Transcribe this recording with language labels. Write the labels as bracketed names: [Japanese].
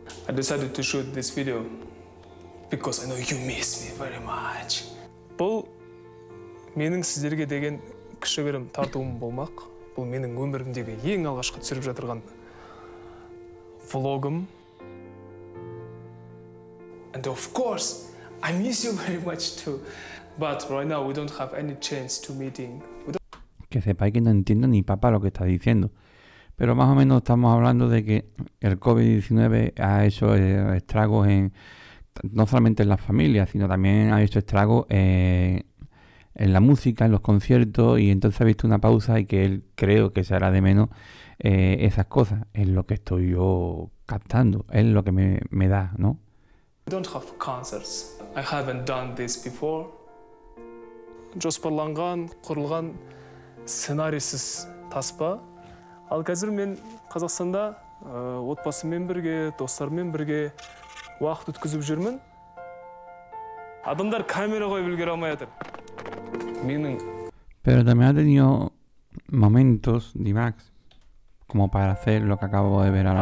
[English] I decided to shoot this video because I know you miss me very much. [Kazakh] Бұл менің сіздерге деген кішігірім тартуым болмақ. Бұл менің өмірімдегі ең алғашқы түсіріп жатырған влогым. [English] And of course, I miss you very much too. But right now we don't have any chance to meeting. [Spanish] Que sepáis que no entiendo ni papa lo que está diciendo. Pero más o menos estamos hablando de que el COVID-19 ha hecho estragos en no solamente en las familias, sino también ha hecho estragos en la música, en los conciertos, y entonces ha visto una pausa y que él creo que se hará de menos esas cosas. Es lo que estoy yo captando, es lo que me da, ¿no? [English] We don't have concerts. I haven't done this before. [Kazakh] Жоспарланған, құрылған сценарийсіз таспа. Ал қазір мен Қазақстанда отбасыммен бірге, достармен бірге уақыт өткізіп жүрмін. Адамдар камера қойып үлгере алмай жатыр. Менің [Spanish] Pero también ha tenido momentos, D-Max, como para hacer lo que acabo de ver ahora